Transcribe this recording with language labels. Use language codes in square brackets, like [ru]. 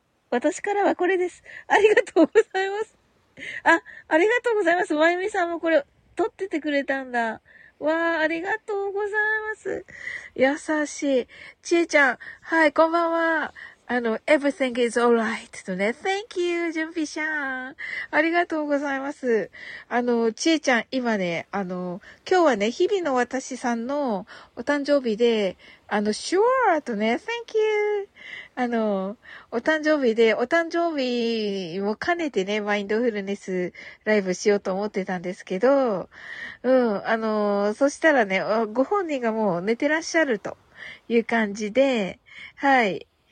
[ja] 私からはこれです。ありがとうございます。あ、ありがとうございます。まゆみさんもこれ、撮っててくれたんだ。わー、ありがとうございます。優しい。ちえちゃん、はい、こんばんは。 [en] あの、everything is alright とね。 Thank you, [ja] 準備ちゃん。ありがとうございます。あの、ちえちゃん、今ね、あの、今日はね、日々の私さんのお誕生日で、あの、sure とね、 [en] thank you。 [ja] あの、お誕生日で、お誕生日も兼ねてね、マインドフルネスライブしようと思ってたんですけど、うん、あの、そしたらね、ご本人がもう寝てらっしゃるという感じで、はい。